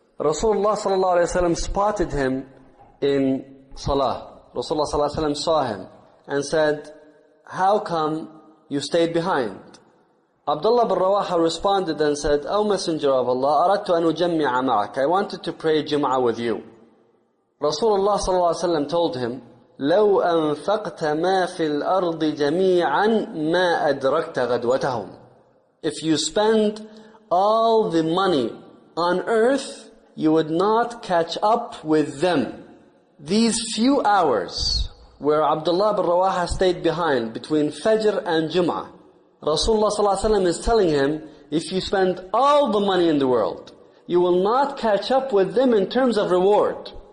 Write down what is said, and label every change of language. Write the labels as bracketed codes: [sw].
[en] Rasulullah sallallahu alaihi wasallam spotted him in Salah. Rasulullah sallallahu alaihi wasallam saw him and said, how come you stayed behind? Abdullah bin Rawaha responded and said, O Messenger of Allah, [ar] أَرَدْتُ أَنْ أُجَمِّعَ مَعَكَ, [en] I wanted to pray Jum'ah with you. Rasulullah sallallahu alaihi wasallam told him, [ar] لَوْ أَنْفَقْتَ مَا فِي الْأَرْضِ جَمِيعًا مَا أَدْرَكْتَ غَدْوَتَهُمْ. [en] If you spend all the money on earth, you would not catch up with them. These few hours where Abdullah bin Rawaha stayed behind between Fajr and Jum'ah, Rasulullah sallallahu alaihi wasallam is telling him, if you spend all the money in the world, you will not catch up with them in terms of reward.